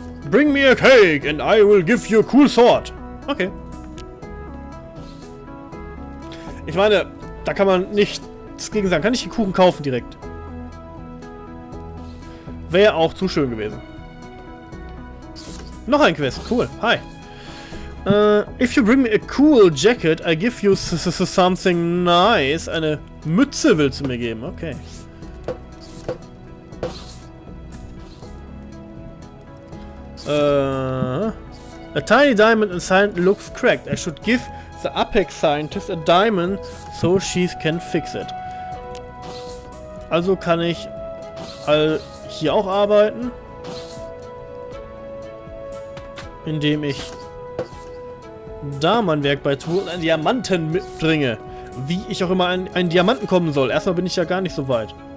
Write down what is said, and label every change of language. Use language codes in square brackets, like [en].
[en] Bring me a cake and I will give you a cool sword. Okay. [de] Ich meine, da kann man nichts gegen sagen. Kann ich den Kuchen kaufen direkt? Wäre auch zu schön gewesen. Noch ein Quest. Cool. Hi. [en] If you bring me a cool jacket, I give you something nice. [de] Eine Mütze willst du mir geben. Okay. [en] A tiny diamond inside looks cracked. I should give the Apex Scientist a diamond so she can fix it. [de] Also kann ich all hier auch arbeiten, indem ich da mein Werk bei tue und einen Diamanten mitbringe. Wie ich auch immer an einen Diamanten kommen soll. Erstmal bin ich ja gar nicht so weit.